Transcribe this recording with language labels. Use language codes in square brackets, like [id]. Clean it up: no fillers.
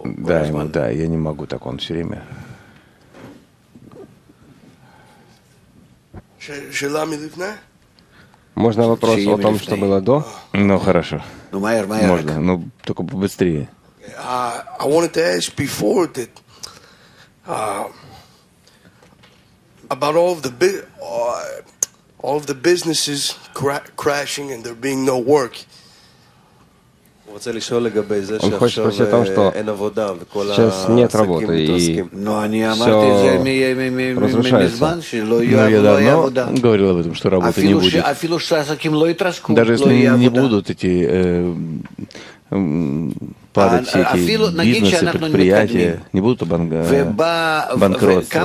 [ru] да, ему, да, я не могу так, он все время. Можно вопрос о том, что было до? Ну, хорошо. Ну, майор, майор. Можно, ну, только побыстрее. [en] I wanted to ask before that... about all of the businesses crashing and there being no work. [ru] Он хочет спросить о том, что сейчас нет работы и все разрушается. Но я давно говорил об этом, что работы не будет. Даже если не будут эти падать все эти бизнесы, предприятия, не будут банкроты.